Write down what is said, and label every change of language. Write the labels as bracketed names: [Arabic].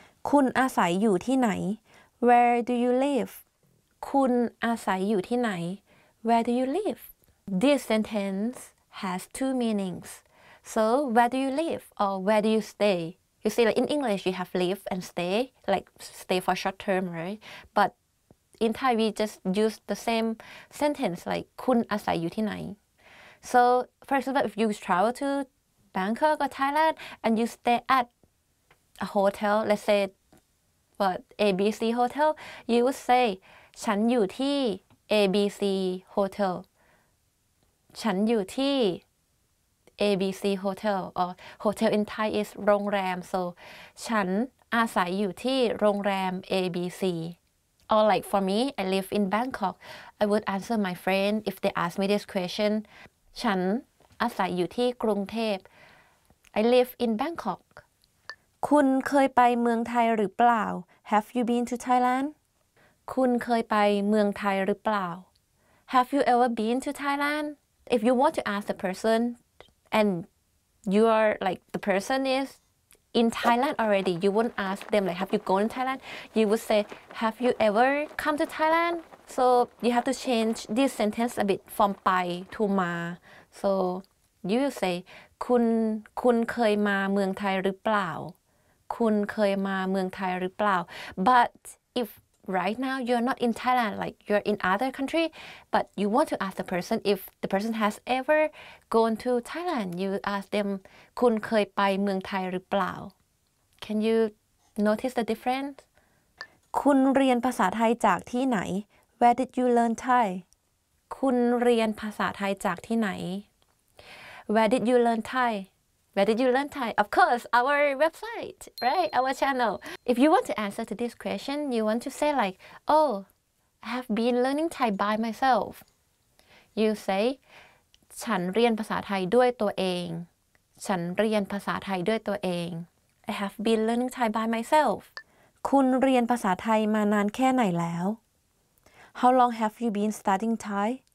[Thai] คุณอาศัยอยู่ที่ไหน [English] Where do you live? [Thai] คุณอาศัยอยู่ที่ไหน [English] Where do you live? This sentence has two meanings. So, where do you live or where do you stay? You see, like in English, you have live and stay, like stay for short term, right? ButIn Thai, we just use the same sentence like [Thai] Kun asai yu thi nai. [English] So, first of all, if you travel to Bangkok or Thailand and you stay at a hotel, let's say ABC hotel, you would say [Thai] Chan yu thi ABC hotel. Chan yu thi ABC hotel. [English] Or hotel in Thai is Rong Ram. So, [Thai] Chan asai yu thi Rong Ram ABC. [English] Or like for me, I live in Bangkok. I would answer my friend if they ask me this question. [Thai] ฉันอาศัยอยู่ที่กรุงเทพ [English] I live in Bangkok. [Thai] คุณเคยไปเมืองไทยหรือเปล่า [English] Have you been to Thailand? [Thai] คุณเคยไปเมืองไทยหรือเปล่า [English] Have you ever been to Thailand? If you want to ask the person and you are like the person isIn Thailand already, you won't ask them like, have you gone to Thailand? You would say, have you ever come to Thailand? So you have to change this sentence a bit from ไป to มา. So you will say, [Thai] คุณเคยมาเมืองไทยหรือเปล่า? คุณเคยมาเมืองไทยหรือเปล่า? [English] But if right now you're not in Thailand, like you're in other country, but you want to ask the person if the person has ever gone to Thailand, you ask them, [Thai] คุณเคยไปเมืองไทยหรือเปล่า? [English] Can you notice the difference? [Thai] คุณเรียนภาษาไทยจากที่ไหน? [English] Where did you learn Thai? [Thai] คุณเรียนภาษาไทยจากที่ไหน? [English] Where did you learn Thai? Where did you learn Thai? Of course, our website, right? Our channel. If you want to answer to this question, you want to say like, oh, I have been learning Thai by myself. You say, [Thai] ฉันเรียนภาษาไทยด้วยตัวเอง. ฉันเรียนภาษาไทยด้วยตัวเอง. [English] I have been learning Thai by myself. [Thai] คุณเรียนภาษาไทยมานานแค่ไหนแล้ว? [English] How long have you been studying Thai?